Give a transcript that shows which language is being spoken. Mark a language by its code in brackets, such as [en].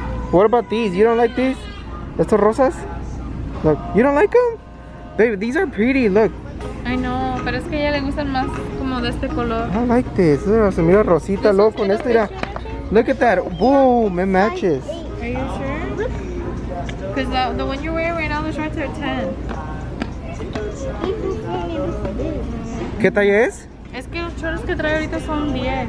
[en] What about these? You don't like these? [es] ¿Estos rosas? [en] Look, you don't like them? Babe, these are pretty, look. I know, [es] pero es que a ella le gustan más como de este color. [en] I like this. [es] Eso se mira rosita, luego con esto ya. [en] Look at that. Boom, it matches. Are you sure? Because the one you're wearing right now, the shorts are 10. [es] ¿Qué talla es? Es que los shorts que trae ahorita son 10.